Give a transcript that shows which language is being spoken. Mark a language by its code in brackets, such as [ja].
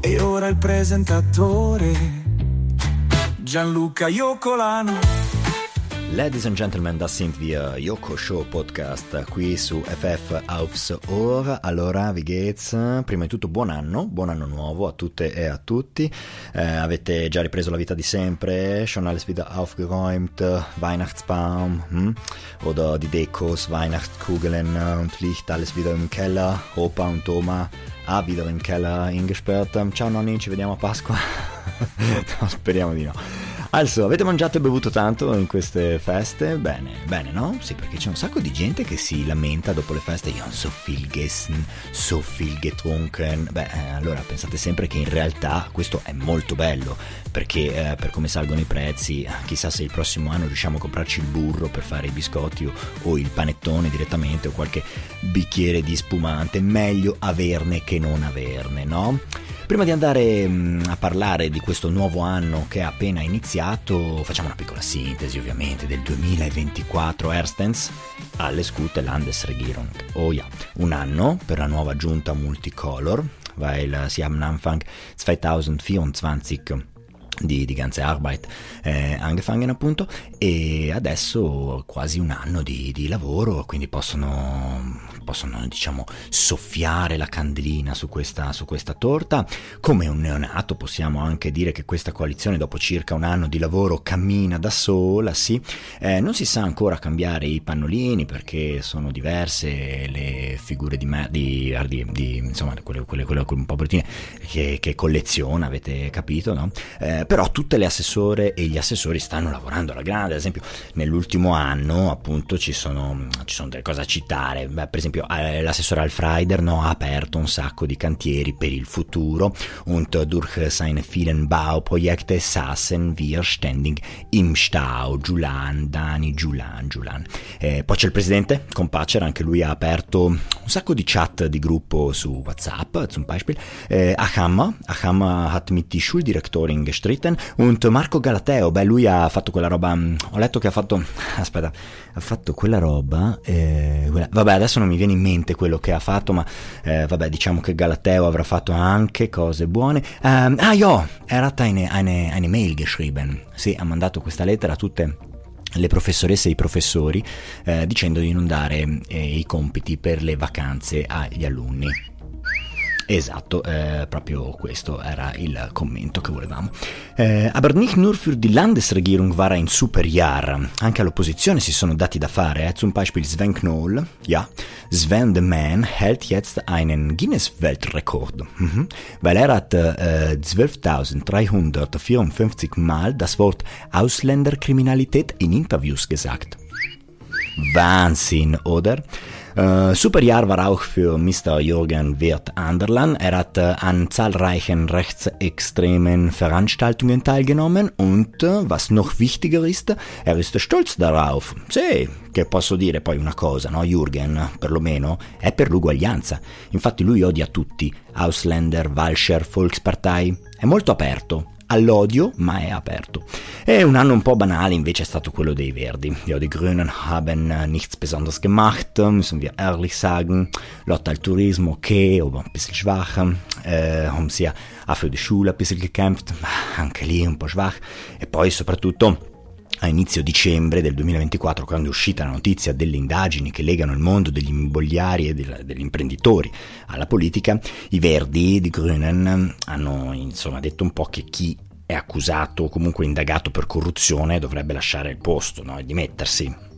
[it] E ora il presentatore Gianluca Iocolano. [en] Ladies and gentlemen, [it] da Sint via Yoko Show Podcast qui su FF Aufs Ohr. Allora, [de] wie geht's? [it] Prima di tutto buon anno nuovo a tutte e a tutti. Avete già ripreso la vita di sempre? [de] Schon alles wieder aufgeräumt? Weihnachtsbaum? Oder die Dekos, Weihnachtskugeln und Licht, alles wieder im Keller? Opa und Oma? Ah, wieder im Keller ingesperrt. [it] Ciao nonni, ci vediamo a Pasqua. No, speriamo di no. Also, avete mangiato e bevuto tanto in queste feste? Bene, bene, no? Sì, perché c'è un sacco di gente che si lamenta dopo le feste. Io non [de] so viel gessen, so viel getrunken. [it] Beh, allora, pensate sempre che in realtà questo è molto bello, perché per come salgono i prezzi, chissà se il prossimo anno riusciamo a comprarci il burro per fare i biscotti o il panettone direttamente o qualche bicchiere di spumante. Meglio averne che non averne, no? Prima di andare a parlare di questo nuovo anno che è appena iniziato, facciamo una piccola sintesi ovviamente del 2024. [de] Erstens, alles Gute Landesregierung. [en] Oh yeah, [it] un anno per la nuova giunta multicolor, [de] weil sie haben Anfang 2024 di ganze Arbeit angefangen [it] appunto, e adesso quasi un anno di lavoro, quindi possono diciamo soffiare la candelina su questa torta. Come un neonato possiamo anche dire che questa coalizione dopo circa un anno di lavoro cammina da sola, sì. Non si sa ancora cambiare i pannolini perché sono diverse le figure di insomma quelle un po' bruttine che colleziona, avete capito, no? Però tutte le assessore e gli assessori stanno lavorando alla grande. Ad esempio nell'ultimo anno appunto ci sono delle cose a citare. Beh, per esempio l'assessore Alfreider, no, ha aperto un sacco di cantieri per il futuro. [de] Und durch seine vielen Bauprojekte saßen wir ständig im Stau. [lld] Giulan. [it] Poi c'è il presidente Compacer, anche lui ha aperto un sacco di chat di gruppo su WhatsApp, [de] zum Beispiel. Acham hat mit die Schuldirektorin gestritten. [it] Und Marco Galateo, beh, lui ha fatto quella roba. Ho letto che ha fatto quella roba, adesso non mi viene in mente quello che ha fatto, ma vabbè, diciamo che Galateo avrà fatto anche cose buone. [de] Er hat eine Mail geschrieben. [it] Sì, ha mandato questa lettera a tutte le professoresse e i professori, dicendo di non dare i compiti per le vacanze agli alunni. Esatto, proprio questo era il commento che volevamo. [de] Aber nicht nur für die Landesregierung war ein super Jahr. [it] Anche all'opposizione si sono dati da fare. [de] Zum Beispiel Sven Knoll, ja, Sven the Man hält jetzt einen Guinness-Weltrekord. Weil er hat 12.354 Mal das Wort Ausländerkriminalität in Interviews gesagt. Wahnsinn, oder? Super Jahr war auch für Mr. Jürgen Wirth Anderlan. Er hat an zahlreichen rechtsextremen Veranstaltungen teilgenommen und, was noch wichtiger ist, er ist stolz darauf. [it] Sì, che posso dire poi una cosa, no? Jürgen, perlomeno, è per l'uguaglianza. Infatti lui odia tutti, [de] Ausländer, Walscher, Volkspartei. [it] È molto aperto all'odio, ma è aperto. E un anno un po' banale invece è stato quello dei Verdi. [de] Ja, die Grünen haben nichts besonders gemacht, müssen wir ehrlich sagen. [it] Lotta al turismo, [de] okay, aber ein bisschen schwach. Haben sie auch für die Schule ein bisschen gekämpft, [it] ma anche lì un po' [de] schwach. [it] E poi soprattutto a inizio dicembre del 2024, quando è uscita la notizia delle indagini che legano il mondo degli immobiliari e degli imprenditori alla politica, i Verdi di Grünen hanno insomma detto un po' che chi è accusato o comunque indagato per corruzione dovrebbe lasciare il posto, no? E dimettersi.